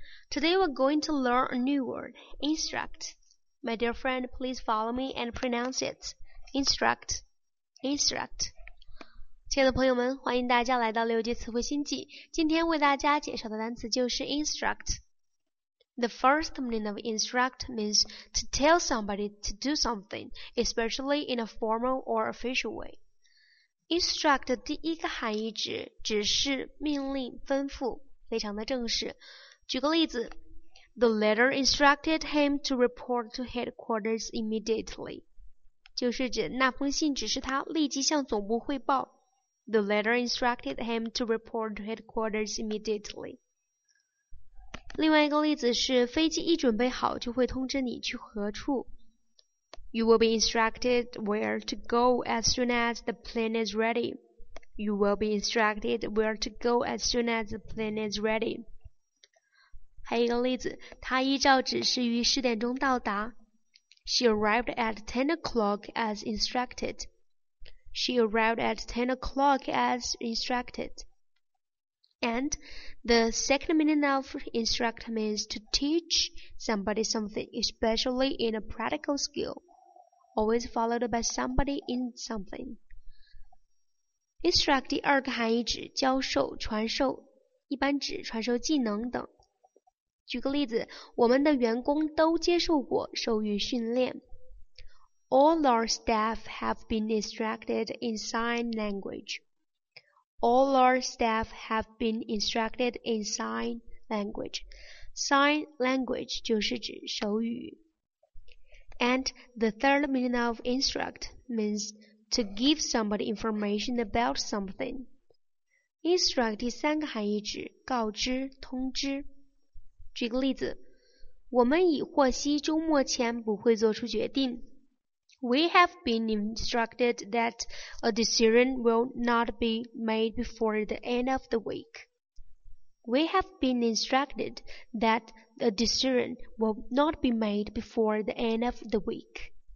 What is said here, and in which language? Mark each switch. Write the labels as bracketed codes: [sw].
[en] Today we're going to learn a new word, instruct. My dear friend, please follow me and pronounce it. Instruct. Instruct. [zh] 亲爱的朋友们，欢迎大家来到六级词汇星际。今天为大家介绍的单词就是 [en] instruct。The first meaning of instruct means to tell somebody to do something, especially in a formal or official way. [zh] Instruct 的第一个含义只是命令、吩咐，非常的正式。举个例子 ， [en] The letter instructed him to report to headquarters immediately， [zh] 就是指那封信指示他立即向总部汇报。 [en] The letter instructed him to report to headquarters immediately。 [zh] 另外一个例子是，飞机一准备好就会通知你去何处。 [en] You will be instructed where to go as soon as the plane is ready. You will be instructed where to go as soon as the plane is ready. [zh] 还有一个例子，她依照指示于十点钟到达。 [en] She arrived at 10 o'clock as instructed. She arrived at 10 o'clock as instructed. And the second meaning of instruct means to teach somebody something, especially in a practical skill. Always followed by somebody in something. [zh] Instruct 第二个含义指教授、传授，一般指传授技能等。举个例子，我们的员工都接受过授予训练。 [en] All our staff have been instructed in sign language. All our staff have been instructed in sign language. Sign language [zh] 就是指手语。 [en] And the third meaning of instruct means to give somebody information about something. [zh] Instruct 第三个含义指告知、通知。举个例子，我们已获悉周末前不会做出决定。 [en] We have been instructed that a decision will not be made before the end of the week. We have been instructed that a decision will not be made before the end of the week.